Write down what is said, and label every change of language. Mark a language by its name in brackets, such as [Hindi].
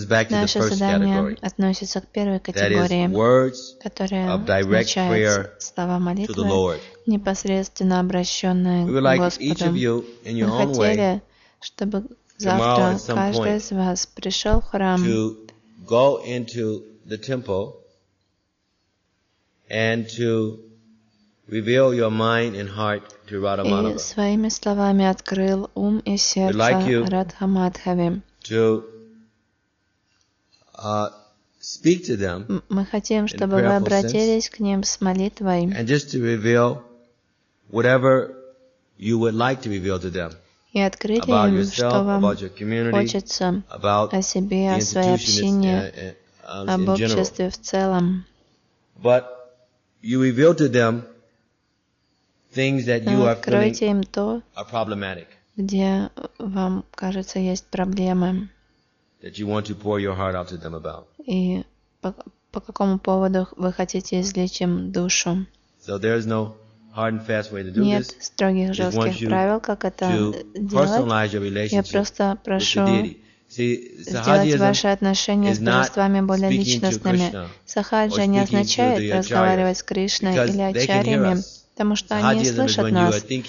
[Russian] Наше задание относится к первой категории, которая включает слова молитвы, непосредственно обращенные к Господу. Мы хотели, чтобы завтра каждый из вас пришел в храм [English] to go into the temple and to reveal your mind and heart to Radha Madhava. [Russian] И своими словами открыл ум и сердце Радха Мадхаве. [English] To speak to them. [Russian] Мы хотим, чтобы вы обратились к ним с молитвой. [English] And just to reveal whatever you would like to reveal to them. [Russian] И открыть им, что вам хочется о себе, о своей общине, об обществе в целом. [English] But you reveal to them things that you are feeling are problematic. [Russian] Где вам кажется есть проблемы. [English] That you want to pour your heart out to them about. [Russian] И по какому поводу вы хотите излить им душу. [English] So there is no hard and fast way to do this. [Russian] Нет строгих жестких правил, как это делать. Я просто прошу сделать ваши отношения с божествами более личностными. Сахаджа не означает разговаривать с Кришной или Ачарьями, потому что они слышат нас.